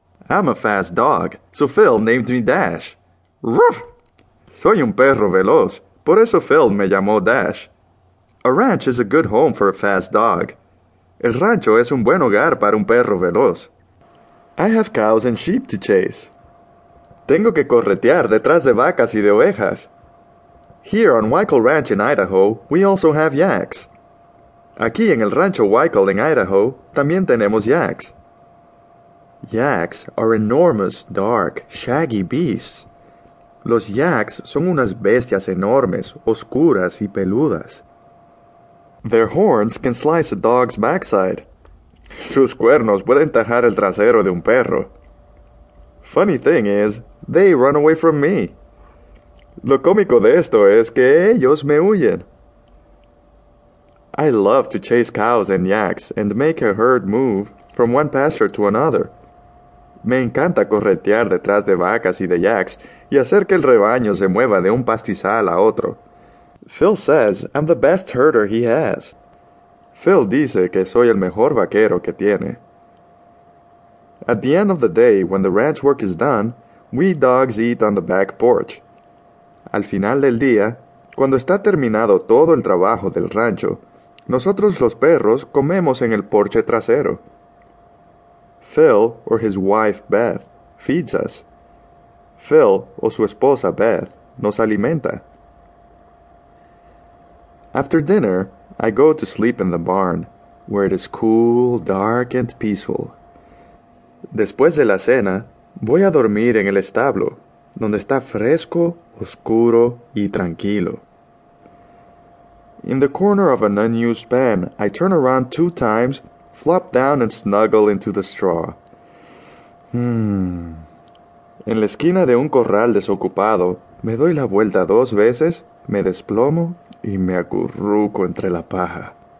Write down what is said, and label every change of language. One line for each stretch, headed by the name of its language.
English: I'm a fast dog, so Phil named me Dash. Roof!
Spanish: Soy un perro veloz, por eso Phil me llamó Dash.
English: A ranch is a good home for a fast dog.
Spanish: El rancho es un buen hogar para un perro veloz.
English: I have cows and sheep to chase.
Spanish: Tengo que corretear detrás de vacas y de ovejas.
English: Here on Weichel Ranch in Idaho, we also have yaks.
Spanish: Aquí en el rancho Weichel en Idaho, también tenemos yaks.
English: Yaks are enormous, dark, shaggy beasts.
Spanish: Los yaks son unas bestias enormes, oscuras y peludas.
English: Their horns can slice a dog's backside.
Spanish: Sus cuernos pueden tajar el trasero de un perro.
English: Funny thing is, they run away from me.
Spanish: Lo cómico de esto es que ellos me huyen.
English: I love to chase cows and yaks and make a herd move from one pasture to another.
Spanish: Me encanta corretear detrás de vacas y de yaks y hacer que el rebaño se mueva de un pastizal a otro.
English: Phil says I'm the best herder he has.
Spanish: Phil dice que soy el mejor vaquero que tiene.
English: At the end of the day, when the ranch work is done, we dogs eat on the back porch.
Spanish: Al final del día, cuando está terminado todo el trabajo del rancho, nosotros los perros comemos en el porche trasero.
English: Phil, or his wife Beth, feeds us.
Spanish: Phil, o su esposa Beth, nos alimenta.
English: After dinner, I go to sleep in the barn, where it is cool, dark, and peaceful.
Spanish: Después de la cena, voy a dormir en el establo, donde está fresco, oscuro, y tranquilo.
English: In the corner of an unused pen, I turn around 2 times, flop down and snuggle into the straw.
Spanish: En la esquina de un corral desocupado, me doy la vuelta 2 veces, me desplomo y me acurruco entre la paja.